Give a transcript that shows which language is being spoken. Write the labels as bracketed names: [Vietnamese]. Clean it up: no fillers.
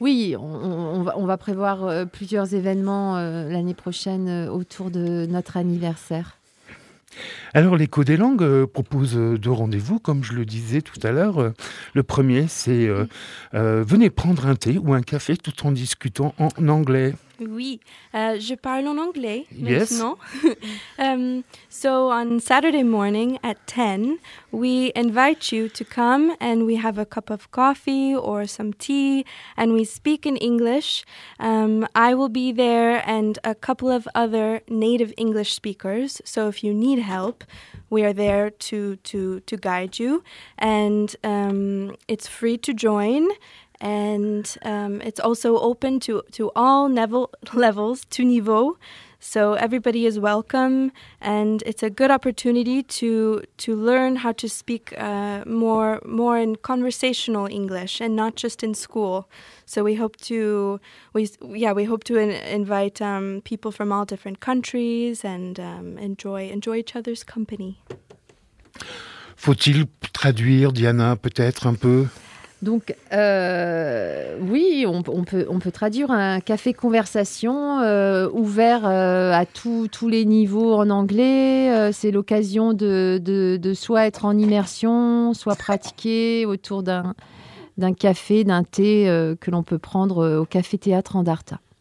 [French] Oui, on va prévoir plusieurs événements l'année prochaine autour de notre anniversaire. Alors, l'Écho des Langues propose deux rendez-vous, comme je le disais tout à l'heure. Le premier, c'est venez prendre un thé ou un café tout en discutant en anglais. Oui, je parle en anglais maintenant. [English] Yes. on Saturday morning at 10, we invite you to come and we have a cup of coffee or some tea and we speak in English. I will be there and a couple of other native English speakers. So if you need help, we are there to guide you. And it's free to join. And it's also open to all levels, to niveau. So everybody is welcome, and it's a good opportunity to learn how to speak more in conversational English and not just in school. So we hope to invite people from all different countries and enjoy each other's company. [French] Faut-il traduire, Diana, peut-être un peu? Donc, oui, on peut traduire un café conversation ouvert à tous les niveaux en anglais. C'est l'occasion de soit être en immersion, soit pratiquer autour d'un café, d'un thé que l'on peut prendre au Café Théâtre en Darta.